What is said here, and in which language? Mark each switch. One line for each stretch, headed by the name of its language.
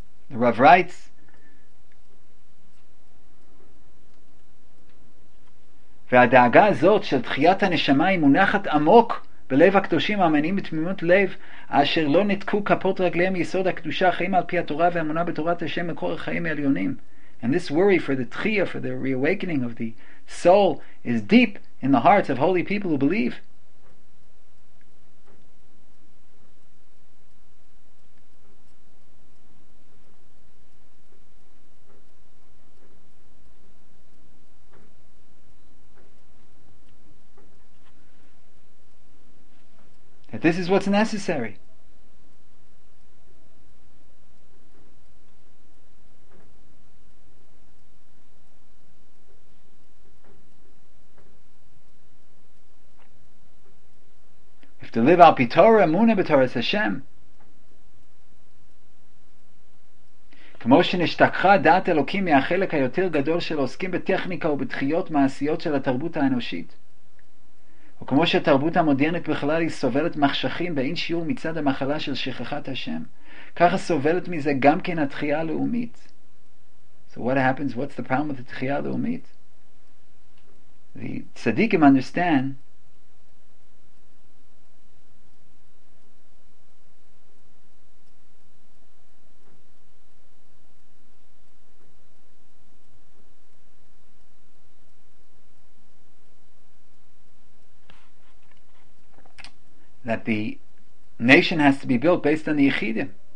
English: The Rav writes,
Hebrew: והדאגה הזאת של תחיית הנשמה היא מונחת עמוק בלב הקדושים המאמינים בתמימות לב אשר לא נתקו כפות רגליהם יסוד הקדושה חיים על פי התורה והאמונה בתורת השם מקור החיים העליונים.
English: And this worry for the tchia, for the reawakening of the soul, is deep in the hearts of holy people who believe. This is what's necessary. We have to live
Hebrew: al pi Torah, emunah b'Torah Hashem. כמו שנשתכחה דעת אלוקים מהחלק היותר גדול של עוסקים בטכניקה ובדחיות מעשיות של התרבות האנושית. וכמו שהתרבות המודרנית בכלל היא סובלת מחשכים באין שיעור מצד המחלה של שכחת השם, ככה סובלת מזה גם כן התחייה הלאומית.
English: So what happens? What's the problem with the
Hebrew: תחייה הלאומית?
English: The tzaddikim understand that the nation has to be built based on the yechidim.